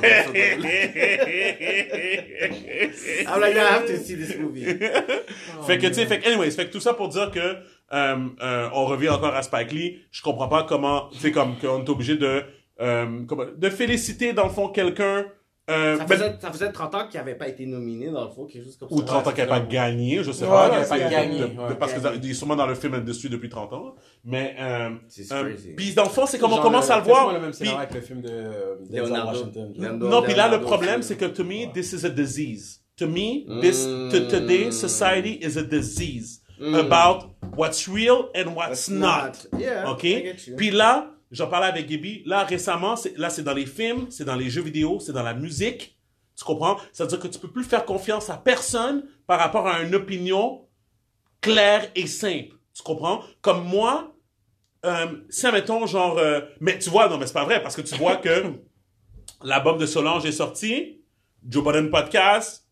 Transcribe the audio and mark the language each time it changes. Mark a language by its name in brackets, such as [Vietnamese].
[English] I'm like, yeah, I have to see this movie. [French] Fait que tout ça pour dire que on revient encore à Spike Lee. Je comprends pas comment, tu sais, comme qu'on est obligé de féliciter dans le fond quelqu'un. Ça faisait 30 ans qu'il n'avait pas été nominé, dans le fond, quelque chose comme ça. Ou 30 ans qu'il n'avait pas gagné, je ne sais pas. Parce qu'il est sûrement dans le film industry depuis 30 ans. Mais, puis dans le fond, c'est comme on commence à le voir. C'est le même scénario avec le film de Denzel Washington. Non, puis là, le problème, c'est que, to me, this is a disease. [English] To me, this, today, society is a disease about what's real and what's not. Yeah, [French] OK? Puis là, j'en parlais avec Gibby. Là, récemment, c'est dans les films, c'est dans les jeux vidéo, c'est dans la musique. Tu comprends? C'est-à-dire que tu peux plus faire confiance à personne par rapport à une opinion claire et simple. Tu comprends? Comme moi, si, admettons, genre... mais tu vois, non, mais c'est pas vrai, parce que tu vois que la bombe de Solange est sortie, Joe Biden podcast...